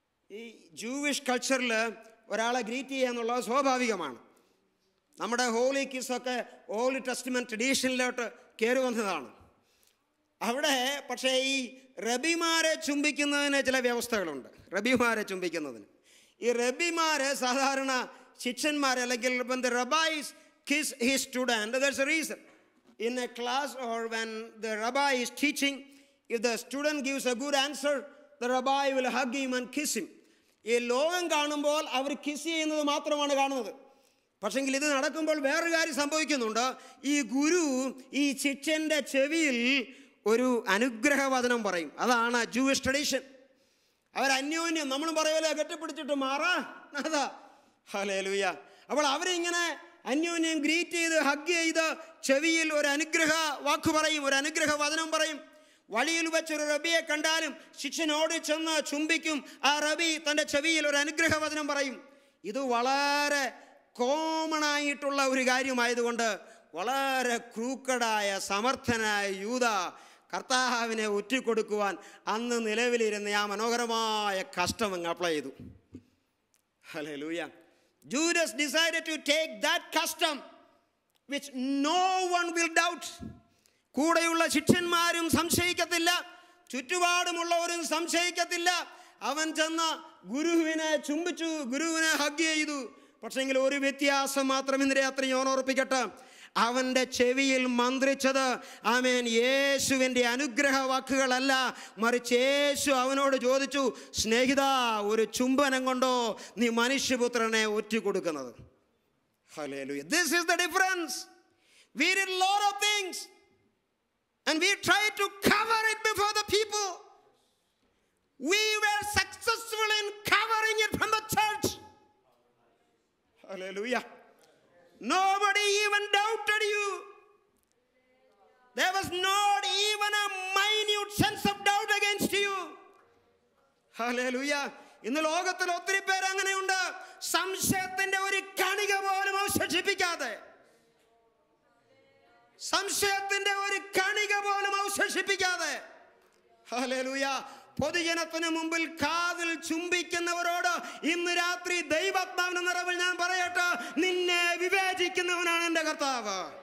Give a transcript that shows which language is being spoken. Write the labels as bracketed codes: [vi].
[ml] ഈ ജൂവിഷ് കൾച്ചറിൽ ഒരാളെ ഗ്രീറ്റ് ചെയ്യുക എന്നുള്ളത് സ്വാഭാവികമാണ്. നമ്മുടെ ഹോളി കിസൊക്കെ ഹോളി ടെസ്റ്റ്മെൻറ്റ് ട്രഡീഷനിലോട്ട് കയറി വന്നതാണ് അവിടെ. പക്ഷേ ഈ റബിമാരെ ചുംബിക്കുന്നതിന് ചില വ്യവസ്ഥകളുണ്ട്. റബിമാരെ ചുംബിക്കുന്നതിന് ഈ റബിമാരെ സാധാരണ ശിഷ്യന്മാർ അല്ലെങ്കിൽ [en] the rabbis kiss his student, that's the reason. In a class or when the rabbi is teaching, if the student gives a good answer, the rabbi will hug him and kiss him. [ml] ഈ ലോകം കാണുമ്പോൾ അവർ kiss ചെയ്യുന്നത് മാത്രമാണ് കാണുന്നത്. പക്ഷെങ്കിൽ ഇത് നടക്കുമ്പോൾ വേറൊരു കാര്യം സംഭവിക്കുന്നുണ്ട്. ഈ ഗുരു ഈ ശിഷ്യന്റെ ചെവിയിൽ ഒരു അനുഗ്രഹവചനം പറയും. അതാണ് ജൂവിഷ് ട്രഡീഷൻ. അവരന്യോന്യം നമ്മൾ പറയുമല്ലോ കെട്ടിപ്പിടിച്ചിട്ട് മാറാ. ഹല്ലേലൂയ. അപ്പോൾ അവരിങ്ങനെ അന്യോന്യം ഗ്രീറ്റ് ചെയ്ത് ഹഗ് ചെയ്ത് ചെവിയിൽ ഒരു അനുഗ്രഹ വാക്ക് പറയും, ഒരു അനുഗ്രഹ വചനം പറയും. വഴിയിൽ വെച്ചൊരു റബിയെ കണ്ടാലും ശിഷ്യനോട് ചെന്ന് ചുംബിക്കും. ആ റബി തൻ്റെ ചെവിയിൽ ഒരു അനുഗ്രഹ വചനം പറയും. ഇത് വളരെ കോമണായിട്ടുള്ള ഒരു കാര്യമായതുകൊണ്ട് വളരെ ക്രൂക്കടായ സമർത്ഥനായ യൂത കർത്താവിനെ ഒറ്റിക്കൊടുക്കുവാൻ അന്ന് നിലവിലിരുന്ന ആ മനോഹരമായ കസ്റ്റം അങ്ങ് അപ്ലൈ ചെയ്തു. Hallelujah. [en] Judas decided to take that custom which no one will doubt. [ml] കൂടെയുള്ള ശിഷ്യന്മാരും സംശയിക്കത്തില്ല, ചുറ്റുപാടുമുള്ളവരും സംശയിക്കത്തില്ല. അവൻ ചെന്ന് ഗുരുവിനെ ചുംബിച്ചു, ഗുരുവിനെ ഹഗ് ചെയ്തു. പക്ഷേങ്കിൽ ഒരു വ്യത്യാസം മാത്രം ഇന്ന് രാത്രി ഞാൻ ഓർപ്പിക്കട്ടെ. അവൻ്റെ ചെവിയിൽ മന്ത്രിച്ചത് ആമേൻ യേശുവിൻ്റെ അനുഗ്രഹ വാക്കുകളല്ല, മറിച്ച് യേശു അവനോട് ചോദിച്ചു, സ്നേഹിത ഒരു ചുംബനം കൊണ്ടോ നീ മനുഷ്യപുത്രനെ ഒറ്റിക്കൊടുക്കുന്നത്? [en] Hallelujah. This is the difference. We did a lot of things and we tried to cover it before the people. We were successful in covering it from the church. Hallelujah. Nobody even doubted you. There was not even a minute sense of doubt against you. Hallelujah. In the [ml] ലോകത്തിൽ ഒത്തിരി പേർ അങ്ങനെയുണ്ട്, സംശയത്തിന്റെ ഒരു കണിക പോലും അവശേഷിപ്പിക്കാതെ, സംശയത്തിന്റെ ഒരു കണിക പോലും അവശേഷിപ്പിക്കാതെ. Hallelujah. പൊതുജനത്തിന് മുമ്പിൽ കാതിൽ ചുംബിക്കുന്നവരോട് ഇന്ന് രാത്രി ദൈവാത്മാവിന് നിറവിൽ ഞാൻ പറയട്ടെ, നിന്നെ വിവേചിക്കുന്നവനാണ് എൻ്റെ കർത്താവ്.